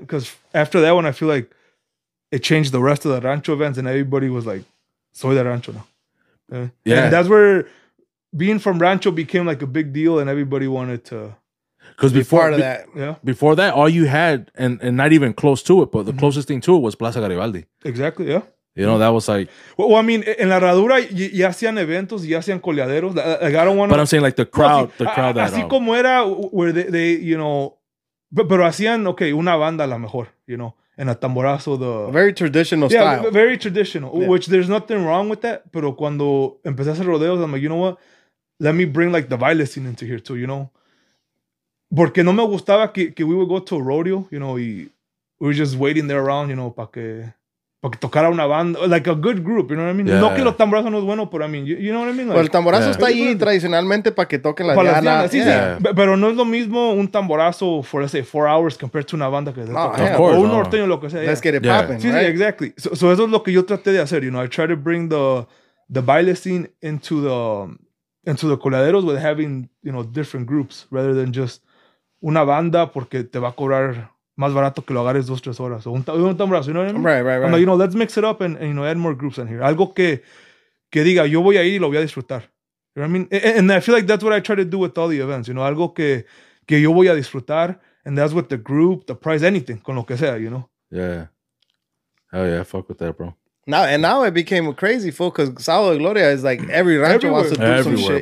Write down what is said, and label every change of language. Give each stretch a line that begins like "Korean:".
English: Because after that one, I feel like it changed the rest of the rancho events, and everybody was like,
Spanish: "Soy de rancho
English: now." Yeah, and that's where. Being from Rancho became like a big deal, and everybody wanted to. Because before that, all you had, and not even close to it, but the closest thing to it was Plaza Garibaldi. Exactly, yeah. You know, that was like.
Spanish: Well, I mean, in La Herradura, ya hacían eventos, ya hacían coleaderos.
English: Like, I don't want to. But I'm saying, like, the crowd, no, así, the crowd that.
Spanish: Así como era,
English: where they,
Spanish: you know. Pero hacían, okay, una banda a la mejor, you know.
English: And a tamborazo, the... Very traditional style. Yeah, very traditional, yeah. Which there's nothing wrong with that.
Spanish: Pero cuando empecé a hacer rodeos,
English: I'm like, you know what? Let me bring like the baile scene into here too, you know?
Spanish: Porque no me gustaba que
English: we would go to a rodeo, you know, y we were just waiting there around, you know,
Spanish: para que tocara una banda.
English: Like a good group, you know what I mean? Yeah.
Spanish: No que los tamborazos no es bueno, pero
English: I mean, you know what I mean? Like,
Spanish: pero el tamborazo yeah. está ahí tradicionalmente para que toquen la diana. Sí, yeah. sí. Pero no es lo mismo un tamborazo
English: for, let's say, 4 hours compared to
Spanish: una banda que...
English: Oh, no, of course.
Spanish: O un norteño, lo que sea.
English: Let's get it popping,
Spanish: sí,
English: right? Sí, exactly. So
Spanish: eso es lo que yo traté de hacer,
English: you know? I tried to bring the baile scene into the coladeros with having, you know, different groups rather than just una banda
Spanish: porque te va a cobrar... Más barato que lo agarres dos, tres horas.
English: So,
Spanish: un tamborazo,
English: you know what I mean? Right. I'm like, you know, let's mix it up and, you know, add more groups in here.
Spanish: Algo que diga, yo voy a ir y lo voy a disfrutar.
English: You know what I mean? And I feel like that's what I try to do with all the events, you know?
Spanish: Algo que yo voy a disfrutar,
English: and that's with the group, the price, anything,
Spanish: con lo que sea,
English: you know? Yeah. Hell yeah, fuck with that, bro. Now it became a crazy fool because Sao de Gloria is like every rancho everywhere. Wants to do everywhere, some shit,